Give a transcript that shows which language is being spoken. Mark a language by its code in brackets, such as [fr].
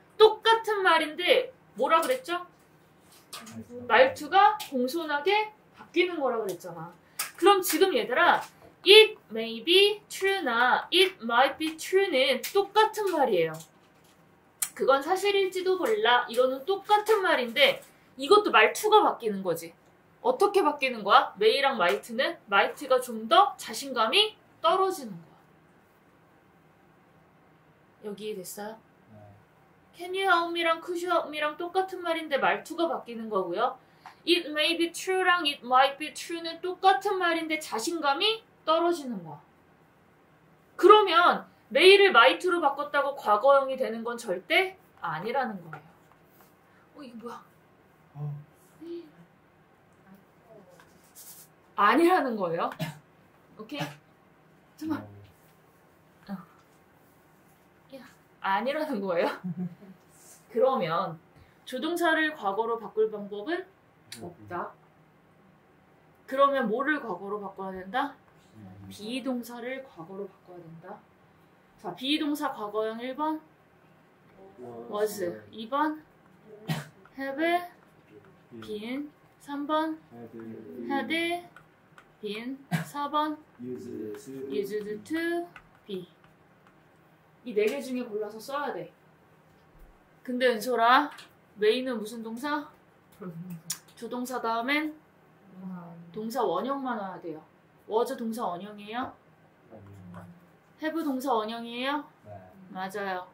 [ko] 똑같은 말인데 뭐라 그랬죠? 말투가 공손하게 바뀌는 거라 그랬잖아. 그럼 지금 얘들아, [en] it may be true나 it might be true는 [ko] 똑같은 말이에요. 그건 사실일지도 몰라. 이거는 똑같은 말인데 이것도 말투가 바뀌는 거지. 어떻게 바뀌는 거야? 메이랑 마이트는? 마이트가 좀 더 자신감이 떨어지는 거야. 여기 됐어요? [en] Can you help me랑 could you help me랑 [ko] 똑같은 말인데 말투가 바뀌는 거고요. [en] It may be true랑 it might be true는 [ko] 똑같은 말인데 자신감이 떨어지는 거야. 그러면 may를 might로 바꿨다고 과거형이 되는 건 절대 아니라는 거예요. 어, 이게 뭐야? 아니라는 거예요. 오케이? 잠깐만. 아니라는 거예요? 그러면 조동사를 과거로 바꿀 방법은 없다. 그러면 뭐를 과거로 바꿔야 된다? 비동사를 과거로 바꿔야 된다. 자, 비동사 과거형 1번 was, 2번 have been, 3번 had been, 4번 used to be. 이 네 개 중에 골라서 써야 돼. 근데 은솔아, 메인은 무슨 동사? 조동사 다음엔 동사 원형만 와야 돼요. was 동사 원형이에요? have 동사 원형이에요? 맞아요.